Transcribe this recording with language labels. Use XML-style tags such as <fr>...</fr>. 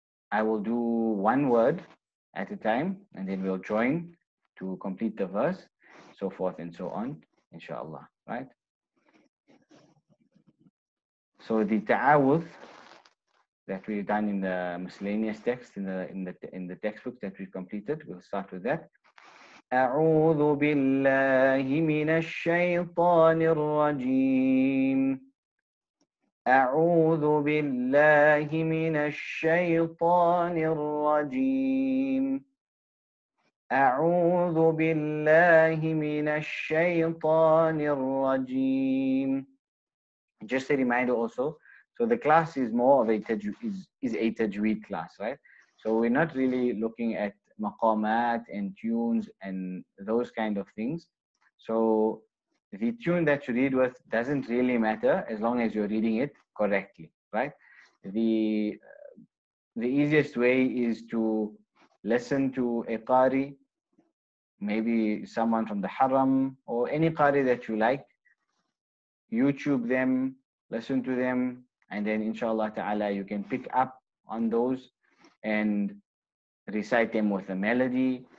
<en>I will do one word at a time, and then we'll join to complete the verse, so forth and so on, inshallah, right? So the ta'awudh that we've done in the miscellaneous text, in the textbook that we've completed, we'll start with that.</en> <ar>أعوذ بالله من الشيطان الرجيم أعوذ بالله من الشيطان الرجيم أعوذ بالله من الشيطان الرجيم</ar> <en>Just a reminder also, so the class is more of a tajweed class, right? So we're not really looking at maqamat and tunes and those kind of things. So the tune that you read with doesn't really matter as long as you're reading it correctly, right? The easiest way is to listen to a qari, maybe someone from the haram or any qari that you like, YouTube them, listen to them, and then inshallah ta'ala you can pick up on those and recite them with a melody.</en>